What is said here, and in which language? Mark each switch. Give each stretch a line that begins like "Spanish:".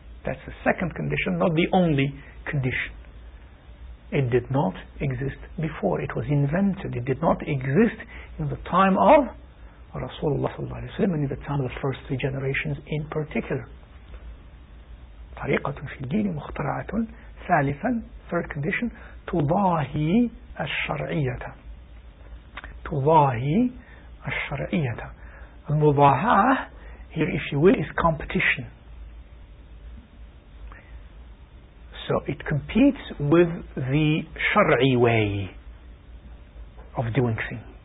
English: That's the second condition, not the only condition. It did not exist before. It was invented. It did not exist in the time of Rasulullah sallallahu alaihi wasallam, in the time of the first three generations in particular.
Arabic: طريقة في الدين مخترعة. ثالثا,
English: third condition,
Arabic: تضاهي الشرعية. تضاهي الشرعية.
English: المضاهاة here if you will is competition. So it competes with the shar'i way of doing things.